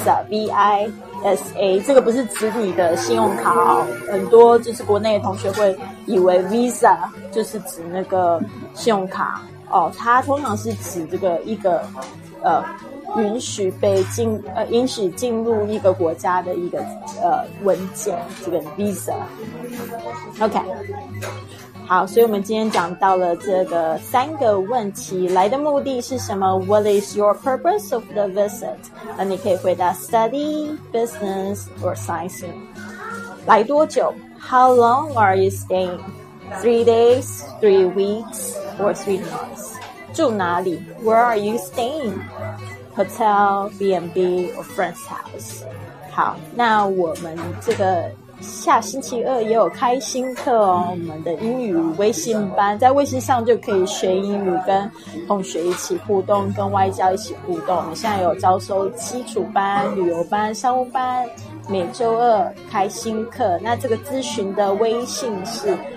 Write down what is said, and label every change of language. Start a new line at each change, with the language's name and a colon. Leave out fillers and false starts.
Chinese: V-I-S-A 这个不是指你的信用卡哦，很多就是国内的同学会以为 visa 就是指那个信用卡哦，它通常是指这个一个允许进入一个国家的一个文件，这个 visa。 OK， 好，所以我们今天讲到了这个三个问题，来的目的是什么 ？
English: What is your purpose of the visit？
Chinese: 那你可以回答
English: study, business, or sightseeing。
Chinese: 来多久
English: ？How long are you staying？ 3 days, 3 weeks。 Or 3 months.
Chinese: 住哪里
English: ？Where are you staying? Hotel, B&B, or friend's house.
Chinese: 好，那我们这个下星期二也有开新课哦，我们的英语微信班，在微信上就可以学英语，跟同学一起互动，跟外教一起互动。我们现在有招收基础班、旅游班、商务班，每周二开新课。那这个咨询的微信是。